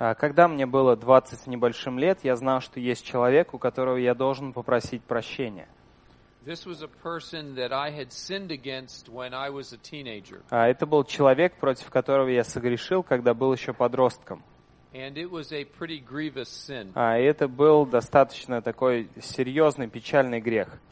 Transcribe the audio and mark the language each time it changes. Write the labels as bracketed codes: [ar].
[ru] Когда мне было 20 с небольшим лет, я знал, что есть человек, у которого я должен попросить прощения. [en] This was a person that I had sinned against when I was a teenager. [ru] Это был человек, против которого я согрешил, когда был еще подростком. [en] And it was a pretty grievous sin. [ru] Это был достаточно такой серьезный, печальный грех.